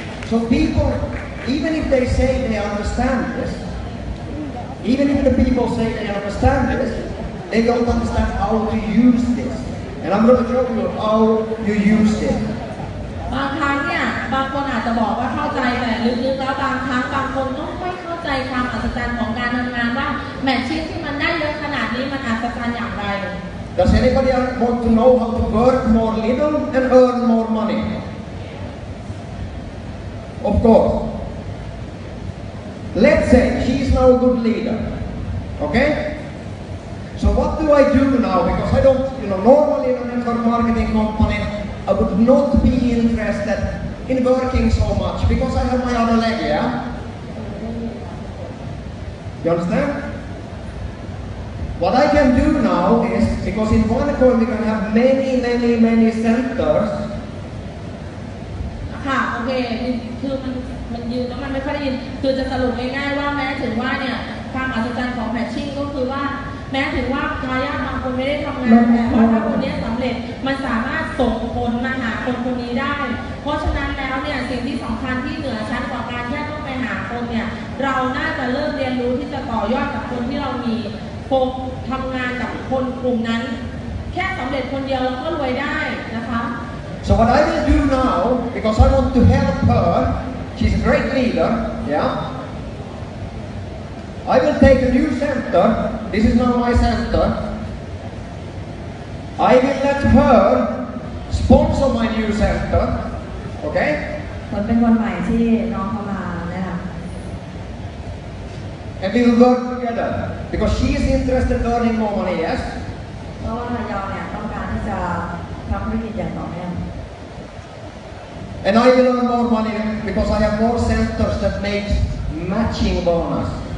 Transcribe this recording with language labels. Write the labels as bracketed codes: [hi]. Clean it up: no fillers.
[en] So people, even if they say they understand this,Even if the people say they understand this, they don't understand how to use this. And I'm going to show you how you use it. [th] บางครั้งเนี่ยบางคนอาจจะบอกว่าเข้าใจแต่ลึกๆแล้วบางครั้งบางคนก็ไม่เข้าใจความอัศจรรย์ของการทำงานว่าแมชชีนที่มันได้เยอะขนาดนี้มันอัศจรรย์อย่างไร [en] Does anybody want to know how to work more little and earn more money? Of course. Let's say she's now a good leader, okay? So what do I do now? Because I don't, you know, normally in a network marketing company, I would not be interested in working so much because I have my other leg, yeah? You understand? What I can do now is, because in one firm we can have many, many, many centers. [th] Ha, okay, มันยืนแล้วมันไม่ค่อยได้ยินคือจะสรุปง่ายๆว่าแม้ถึงว่าเนี่ยความอัศจรรย์ของแพทชิ่งก็คือว่าแม้ถึงว่าทายาทบางคนไม่ได้ทำงานแต่ว่าถ้าคนนี้สำเร็จมันสามารถส่งคนมาหาคนคนนี้ได้เพราะฉะนั้นแล้วเนี่ยสิ่งที่สำคัญที่เหนือชั้นกว่าการแค่ต้องไปหาคนเนี่ยเราน่าจะเริ่มเรียนรู้ที่จะต่อยอดกับคนที่เรามีโฟทำงานกับคนกลุ่มนั้นแค่สำเร็จคนเดียวเราก็รวยได้นะคะ [en] So what I will do now because I want to help herShe's a great leader, yeah? I will take a new center. This is now my center. I will let her sponsor my new center, okay? [th] เป็นคนใหม่ที่น้องเข้ามาเนี่ยค่ะ [en] And we will work together. Because she is interested in earning more money, yes? [th] เพราะว่าทายาทเนี่ยต้องการที่จะทำธุรกิจอย่างต่อเนื่อง [en] And I will earn more money because I have more centers that make matching bonus.